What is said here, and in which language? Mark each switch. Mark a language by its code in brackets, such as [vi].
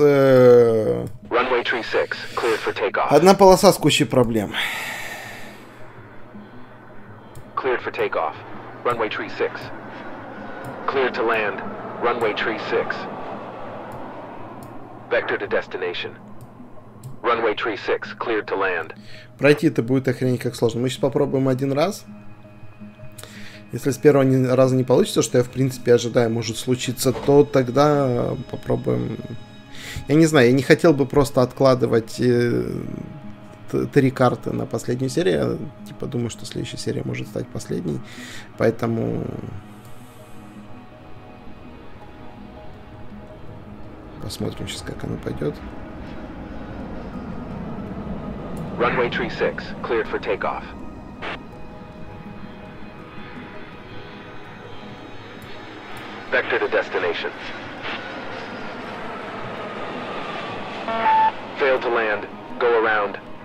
[en] Runway 36, cleared for takeoff. [ru] Одна полоса с кучей проблем. [en] Cleared for takeoff. Runway 36. Cleared to land. Runway 36. Vector to destination. Runway 36, cleared to land. [ru] Пройти это будет охренеть как сложно. Мы сейчас попробуем один раз. Если с первого раза не получится, что я в принципе ожидаю, может случиться, то тогда попробуем. Я не знаю, я не хотел бы просто откладывать три карты на последнюю серию. Я типа думаю, что следующая серия может стать последней. Поэтому... Посмотрим сейчас, как оно пойдет. [en] Runway 36, cleared for takeoff. Vector to destination. Failed to land. Go around.